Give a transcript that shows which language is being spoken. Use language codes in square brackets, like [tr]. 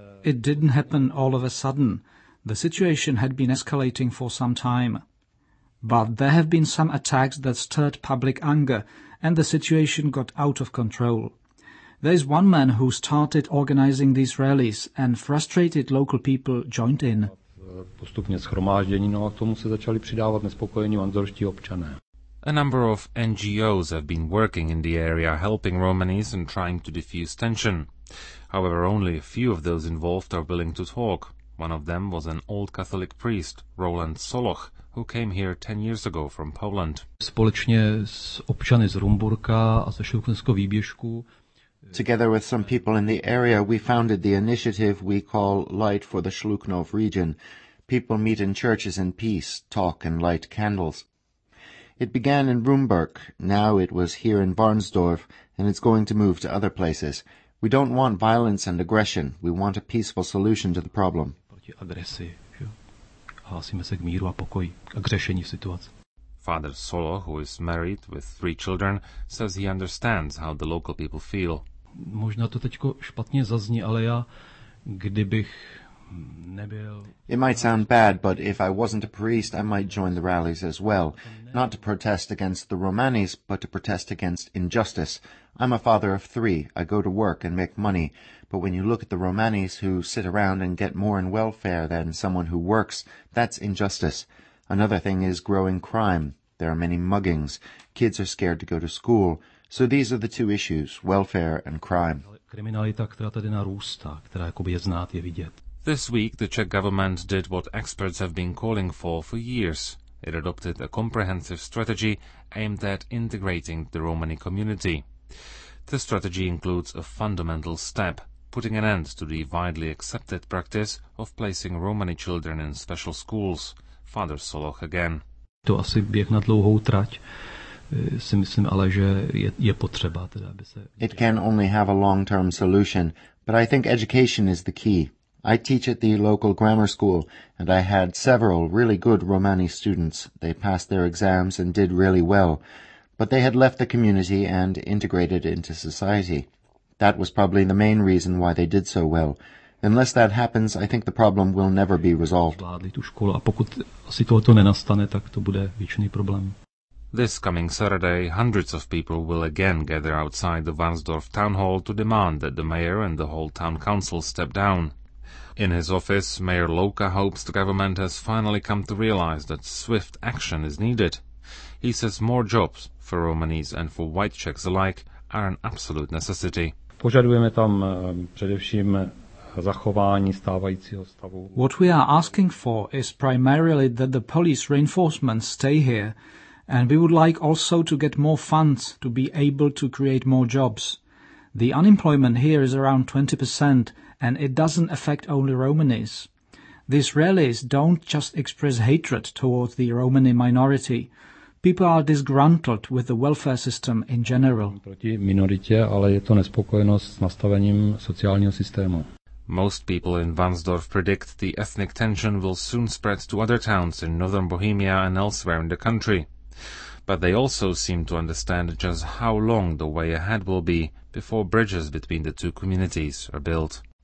[en] It didn't happen all of a sudden. The situation had been escalating for some time. But there have been some attacks that stirred public anger, and the situation got out of control. There is one man who started organizing these rallies and frustrated local people joined in. [cs] Postupně shromáždění, no a k tomu se začali přidávat nespokojení andorští občané. [en] A number of NGOs have been working in the area helping Romanis and trying to diffuse tension. However, only a few of those involved are willing to talk. One of them was an old Catholic priest, Roland Soloch, who came here 10 years ago from Poland. [cs] Společně s občany z Rumburka a ze Šluknického výběžku. [en] Together with some people in the area, we founded the initiative we call Light for the Shluknov region. People meet in churches in peace, talk and light candles. It began in Rumburk, now it was here in Varnsdorf, and it's going to move to other places. We don't want violence and aggression, we want a peaceful solution to the problem. Father Solo, who is married with 3 children, says he understands how the local people feel. [cs] Možná to teďko špatně zazní, ale já, kdybych nebyl... [en] It might sound bad, but if I wasn't a priest, I might join the rallies as well. Not to protest against the Romanis, but to protest against injustice. I'm a father of 3. I go to work and make money. But when you look at the Romanis who sit around and get more in welfare than someone who works, that's injustice. Another thing is growing crime. There are many muggings. Kids are scared to go to school. So these are the 2 issues, welfare and crime. [cs] Kriminalita, která tady narůstá, která jakoby je znát, je vidět. [en] This week, the Czech government did what experts have been calling for years. It adopted a comprehensive strategy aimed at integrating the Romani community. The strategy includes a fundamental step, putting an end to the widely accepted practice of placing Romani children in special schools. Father Soloch again. [cs] To asi běh na dlouhou trať. Si myslím, ale že je potřeba, teda, aby se... [en] It can only have a long-term solution, but I think education is the key. I teach at the local grammar school, and I had several really good Romani students. They passed their exams and did really well, but they had left the community and integrated into society. That was probably the main reason why they did so well. Unless that happens, I think the problem will never be resolved. [cs] Zvládli tu školu, a pokud asi tohoto nenastane, tak to bude věčný problém. [en] This coming Saturday, hundreds of people will again gather outside the Varnsdorf town hall to demand that the mayor and the whole town council step down. In his office, Mayor Loka hopes the government has finally come to realize that swift action is needed. He says more jobs, for Romanis and for white Czechs alike, are an absolute necessity. [cs] Požadujeme tam především zachování stávajícího stavu. [en] What we are asking for is primarily that the police reinforcements stay here, and we would like also to get more funds to be able to create more jobs. The unemployment here is around 20%, and it doesn't affect only Romanis. These rallies don't just express hatred towards the Romani minority. People are disgruntled with the welfare system in general. [cs] Proti minoritě, ale je to nespokojenost s nastavením sociálního systému. [en] Most people in Varnsdorf predict the ethnic tension will soon spread to other towns in northern Bohemia and elsewhere in the country. But they also seem to understand just how long the way ahead will be before bridges between the 2 communities are built.